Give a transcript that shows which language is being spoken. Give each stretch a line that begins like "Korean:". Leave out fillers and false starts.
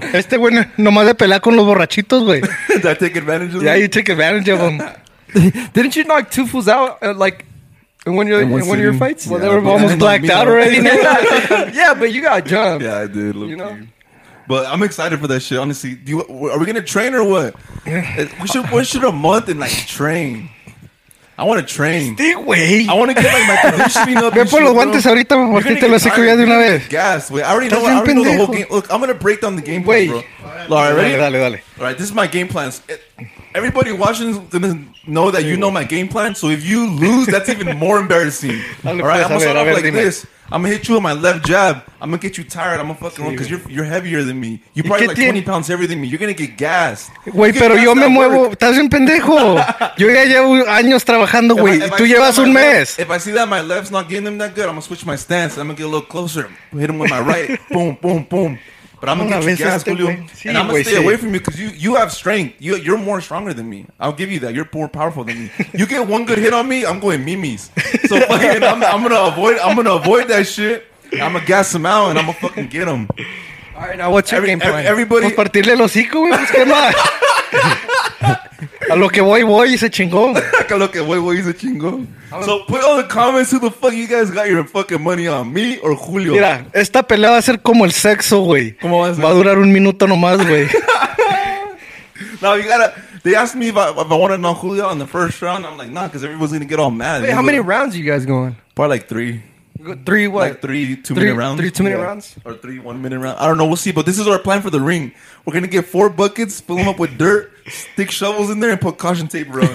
Spanish: Este güey nomás de pelear con los borrachitos, güey.
English: Did I take advantage of them? Yeah, you took advantage of them. Didn't you knock two fools out, like, in one of your fights? Yeah, well, they were almost blacked out already. Yeah, but you got jumped. Yeah, I did. You know? But I'm excited for that shit, honestly. Are we going to train or what? We should a month and, like, train. I want to train. Stay away. I want to get, like, my conditioning up.
Spanish: Ve por los guantes ahorita, porque te lo sé que ya de una vez.
English: Gas, wait. I already know the whole game. Look, I'm going to break down the game plan, bro. All right, ready?
Spanish: Dale.
English: All right, this is my game plan. Everybody watching is going to know that you know my game plan. So if you lose, that's even more embarrassing. All right, I'm going to start off like this. I'm going to hit you with my left jab. I'm going to get you tired. I'm going to fucking run because you're heavier than me. You're probably like 20 pounds heavier than me. You're going to get gassed.
Spanish: Güey, pero yo me muevo. Estás un pendejo. Yo ya llevo años trabajando, güey. Tú llevas un mes.
English: If I see that my left's not getting them that good, I'm going to switch my stance. I'm going to get a little closer. Hit him with my right. Boom, boom, boom. But I'm going to get you gassed, Julio. Sí, and I'm going to stay away from you because you have strength. You're more stronger than me. I'll give you that. You're more powerful than me. You get one good hit on me, I'm going memes. So fucking, I'm going to avoid that shit. I'm going to gas him out and I'm going to fucking get him. All right, now what's your game plan? Everybody.
Spanish: Pues partirle el hocico, güey. Pues qué más. A lo que voy, se chingó. A lo que voy, se chingó.
English: So put all the comments who the fuck you guys got your fucking money on, me or Julio.
Spanish: Mira, esta pelea va a ser como el sexo, güey. ¿Cómo va a ser? Va a durar un minuto nomás, güey.
English: Now, you gotta. They asked me if I want to know Julio on the first round. I'm like, nah, because everyone's going to get all mad. Wait, how many rounds are you guys going? Probably like three. Three what? Like three two-minute rounds. Three two-minute rounds? Or 3 1-minute rounds. I don't know. We'll see. But this is our plan for the ring. We're going to get 4 buckets, fill them up with dirt, stick shovels in there, and put caution tape around.